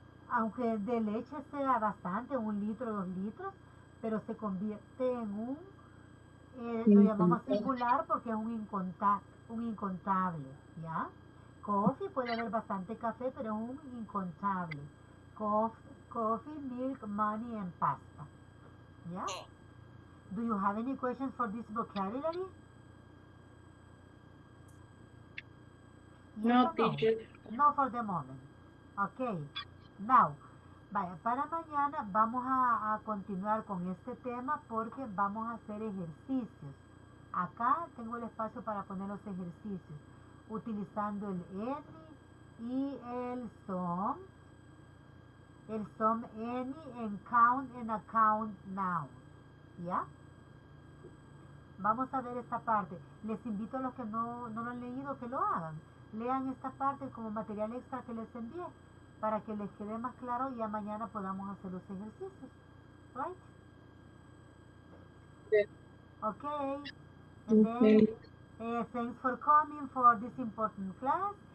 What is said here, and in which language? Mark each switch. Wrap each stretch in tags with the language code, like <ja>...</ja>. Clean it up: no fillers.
<es>Aunque de leche sea bastante, un litro, dos litros, pero se convierte en un, lo llamamos singular porque es un incontable, ¿ya? Coffee, puede haber bastante café, pero es un incontable.</es> <en>Coffee, milk, money, and pasta, ¿ya? Do you have any questions for this vocabulary? No, teacher. No, for the moment.</en> <es>Okay, now, vaya, para mañana vamos a continuar con este tema porque vamos a hacer ejercicios. Acá tengo el espacio para poner los ejercicios, utilizando el any y el some.</es> <en>El some any en count and account now.</en> <es>¿Ya? Vamos a ver esta parte. Les invito a los que no lo han leído que lo hagan. Lean esta parte como material extra que les envié, para que les quede más claro y a mañana podamos hacer los ejercicios.</es> <en>Right?</en> <es>Sí.</es> <en>Okay. And then, thanks for coming for this important class.</en>